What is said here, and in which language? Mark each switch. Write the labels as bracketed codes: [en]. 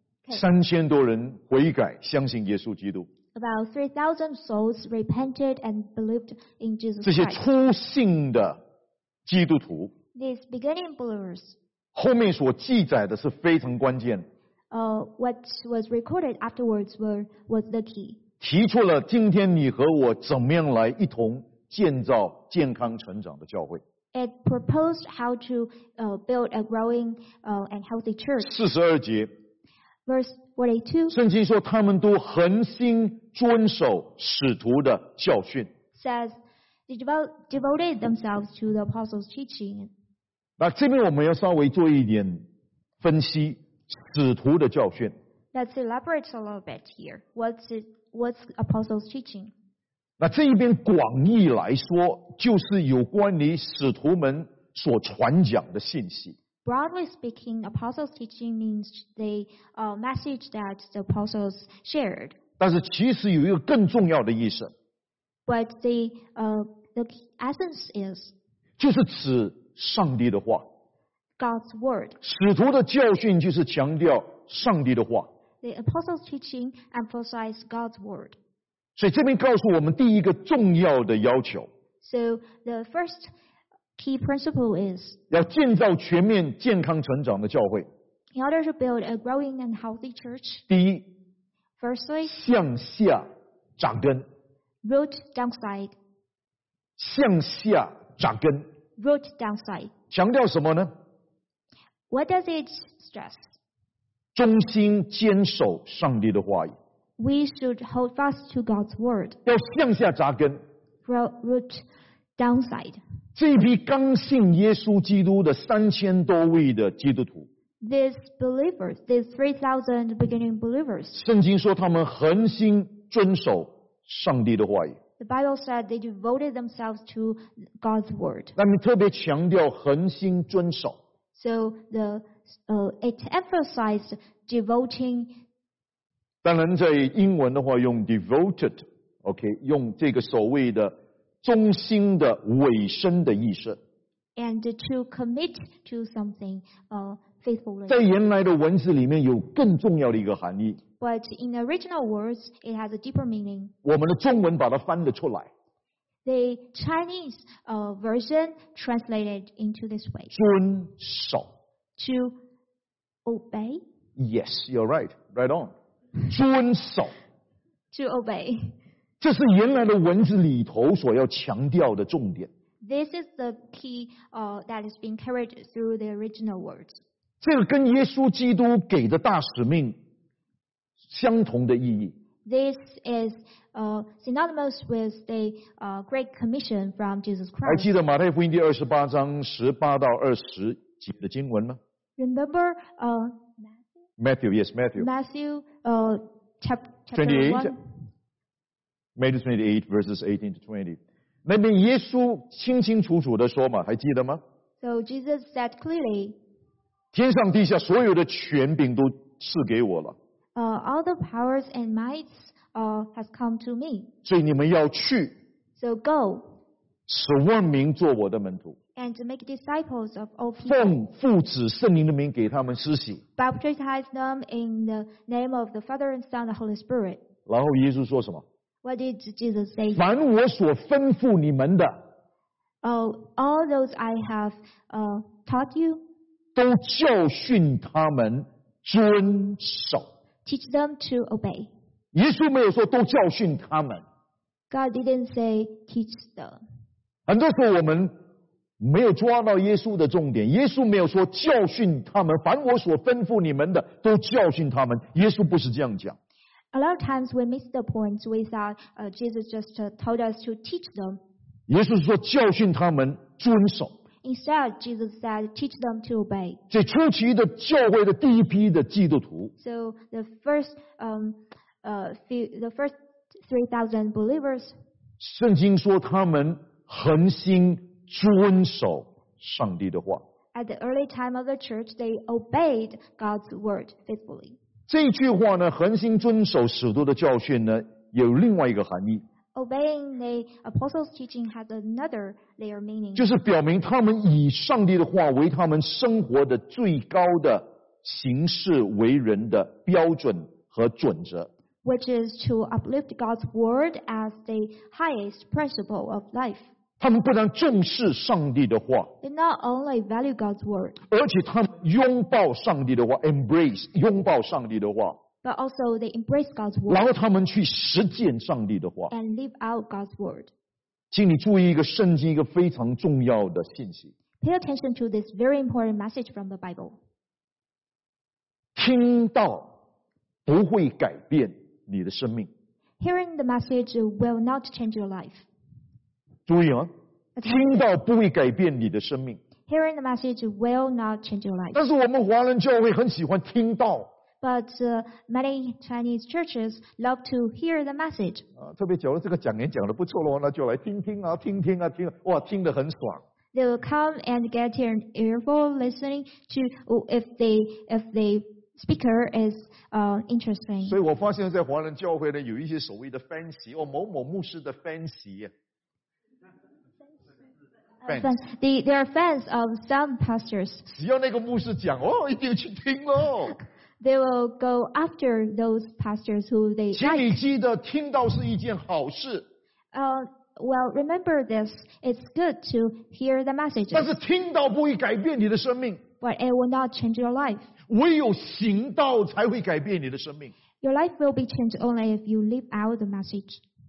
[zh] 3000多人悔改相信耶稣基督。 [en] About 3,000 souls repented and believed in Jesus Christ. [zh] 这些初信的基督徒。 [en] These beginning believers. [zh] 后面所记载的是非常关键。 [en] What was recorded afterwards was the key. [zh] 提出了今天你和我怎么样来一同建造健康成长的教会。 [en] It proposed how to build a growing and healthy church. [zh] 42节。 [en] Verse 42. [zh] 圣经说他们都恒心遵守使徒的教训。 [en] Says they devoted themselves to the apostles' teaching. [zh] 那这边我们要稍微做一点分析，使徒的教训。 [en] Let's elaborate a little bit here. What's apostles' teaching? [zh] 那这一边广义来说，就是有关于使徒们所传讲的信息。 [en] Broadly speaking, apostles' teaching means the message that the apostles shared. [zh] 但是其实有一个更重要的意思。 [en] But the essence is [zh] 就是指上帝的话。 [en] God's word. [zh] 使徒的教训就是强调上帝的话。 [en] The apostles' teaching emphasized God's word. [zh] 所以这边告诉我们第一个重要的要求。 [en] So the first key principle is [zh] 要建造全面健康成长的教会。 [en] In order to build a growing and healthy church, [zh] 第一 [en] firstly, [zh] 向下扎根。 [en] Root downside. [zh] 向下扎根。 [en] Root downside. [zh] 强调什么呢？ [en] What does it stress? [zh] 忠心坚守上帝的话语。 [en] We should hold fast to God's word. [zh] 要向下扎根。 [en] Root downside. [zh] 这一批刚信耶稣基督的3000多位的基督徒。 [en] These believers, these 3,000 beginning believers. [zh] 圣经说他们恒心遵守上帝的话语。 [en] The Bible said they devoted themselves to God's word. [zh] 那么特别强调恒心遵守。 [en] So the, it emphasized devoting. [zh] 当然在英文的话用 devoted, okay, 用这个所谓的忠心的委身的意思。 [en] And to commit to something, faithfully. [zh] 在原来的文字里面有更重要的一个含义。 [en] But in the original words, it has a deeper meaning. [zh] 我们的中文把它翻了出来。 [en] The Chinese version translated into this way. [zh] 遵守。 [en] To obey? Yes, you're right. Right on. 遵守。 To obey. [zh] 这是原来的文字里头所要强调的重点。 [en] This is the key that is being carried through the original words. [zh] 这个跟耶稣基督给的大使命相同的意义。 [en] This is synonymous with the Great Commission from Jesus Christ. [zh] 还记得马太福音第28章18到20节的经文吗？ [en] Remember Matthew? Yes, Matthew. Matthew chapter 28. [zh] Matthew 28:18-20. 那边耶稣清清楚楚的说嘛，还记得吗？ [en] So Jesus said clearly. [zh] 天上地下所有的权柄都赐给我了。 [en] All the powers and mights has come to me. [zh] 所以你们要去。 [en] So go. [zh] 使万民做我的门徒。 [en] And to make disciples of all people. [zh] 奉父子圣灵的名给他们施洗。 [en] Baptize them in the name of the Father and Son and the Holy Spirit. [zh] 然后耶稣说什么？ [en] What did Jesus say? [zh] 凡我所吩咐你们的。 [en] All those I have taught you. [zh] 都教训他们遵守。 [en] Teach them to obey. [zh] 耶稣没有说都教训他们。 [en] God didn't say teach them. [zh] 很多时候我们没有抓到耶稣的重点。耶稣没有说教训他们，凡我所吩咐你们的都教训他们。耶稣不是这样讲。 [en] A lot of times we miss the point. We thought Jesus just told us to teach them. [zh] 耶稣说教训他们遵守。 [en] Instead, Jesus said, "Teach them to obey." [zh] 这初期的教会的第一批的基督徒。 [en] So the first 3,000 believers. [zh] 圣经说他们恒心遵守上帝的话。 [en] At the early time of the church, they obeyed God's word faithfully. [zh] 这句话呢，恒心遵守使徒的教训呢，有另外一个含义。 [en] Obeying the apostles' teaching has another layer meaning. [zh] 就是表明他们以上帝的话为他们生活的最高的行事为人的标准和准则。 [en] Which is to uplift God's word as the highest principle of life. [zh] 他们不但重视上帝的话。 [en] They not only value God's word. [zh] 而且他们拥抱上帝的话 ,embrace, 拥抱上帝的话。 [en] But also they embrace God's word. [zh] 然后他们去实践上帝的话。 [en] And live out God's word. [zh] 请你注意一个圣经一个非常重要的信息。 [en] Pay attention to this very important message from the Bible. [zh] 听到不会改变你的生命。 [en] Hearing the message will not change your life. [zh] 注意啊。听到不会改变你的生命。 [en] Hearing the message will not change your life. [zh] 但是我们华人教会很喜欢听到。 [en] But many Chinese churches love to hear the message. [zh] 特别觉得这个讲演讲得不错了，那就来听听啊，听听啊，听，哇，听得很爽。 [en] They will come and get an earful listening to if the speaker is interesting. [zh] 所以我发现在华人教会呢，有一些所谓的 fancy， 哦，某某牧师的 fancy。 [en] They are fans of some pastors. [zh] 只要那个牧师讲，哦，一定去听哦。 [en] They will go after those pastors who they like. [zh] 请你记得，听到是一件好事。 [en] Well, remember this. It's good to hear the messages. [zh] 但是听到不会改变你的生命。 [en] But it will not change your life. [zh] 唯有行道才会改变你的生命。 [en] Your life will be changed only if you live out the message.